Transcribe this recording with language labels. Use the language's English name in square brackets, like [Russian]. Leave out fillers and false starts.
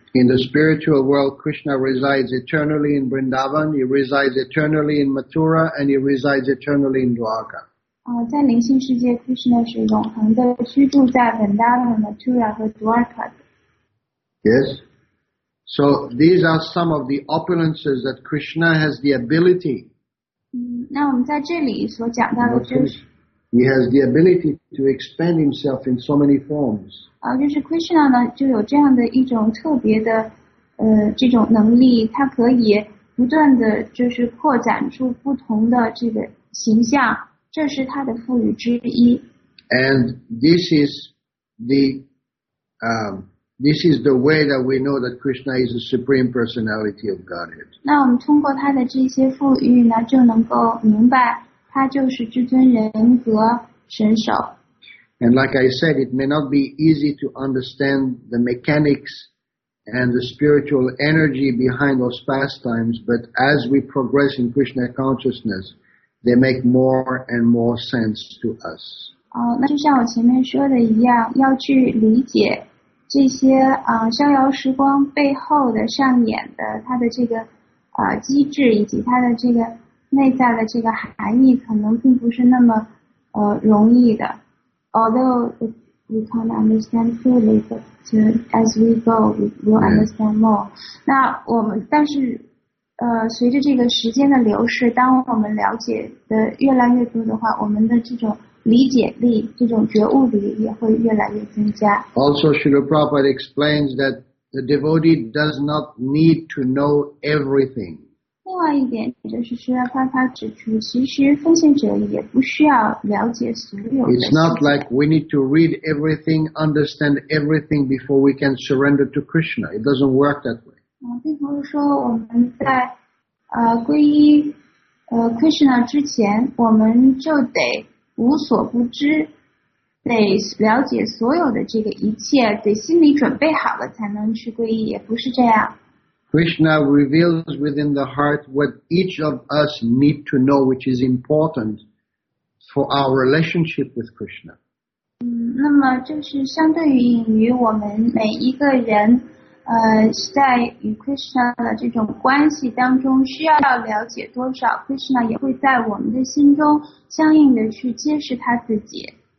[English] In the spiritual world, Krishna resides eternally in Vrindavan, he resides eternally in Mathura, and he resides eternally in Dwarka. [Chinese] 在灵性世界 ，Krishna 是永恒的居住在 Vrindavan、Mathura 和 Dwarka 的。 [English] Yes. So these are some of the opulences that Krishna has the ability. [Chinese] 那我们在这里所讲到的就是。 [English] He has the ability to expand himself in so many forms. [Chinese] 就是 Krishna 呢，就有这样的一种特别的，这种能力，他可以不断的就是扩展出不同的这个形象，这是他的赋予之一。 [English] And this is the way that we know that Krishna is the supreme personality of Godhead. [Chinese] 那我们通过他的这些赋予呢，就能够明白。他就是至尊人格神首。 [English] And like I said, it may not be easy to understand the mechanics and the spiritual energy behind those pastimes, but as we progress in Krishna consciousness, they make more and more sense to us. [Chinese] 那就像我前面说的一样，要去理解这些逍遥时光背后的上演的它的这个机制以及它的这个。内在的这个含义可能并不是那么容易的。 [English] Although we can't understand fully, but as we go, we will understand more. [Chinese] 那我们但是随着这个时间的流逝，当我们了解的越来越多的话，我们的这种理解力、这种觉悟力也会越来越增加。 [English] Also, Srila Prabhupada explains that the devotee does not need to know everything. [Chinese] 另外一点就是说，他他指出，其实奉献者也不需要了解所有的。 [English] It's not like we need to read everything, understand everything before we can surrender to Krishna. It doesn't work that way. [Chinese] 并不是说我们在皈依Krishna 之前，我们就得无所不知，得了解所有的这个一切，得心里准备好了才能去皈依，也不是这样。 [English] Krishna reveals within the heart what each of us need to know, which is important for our relationship with Krishna. [Chinese] 那么就是相对于隐于我们每一个人，在与 Krishna 的这种关系当中需要了解多少 ，Krishna 也会在我们的心中相应的去揭示他自己。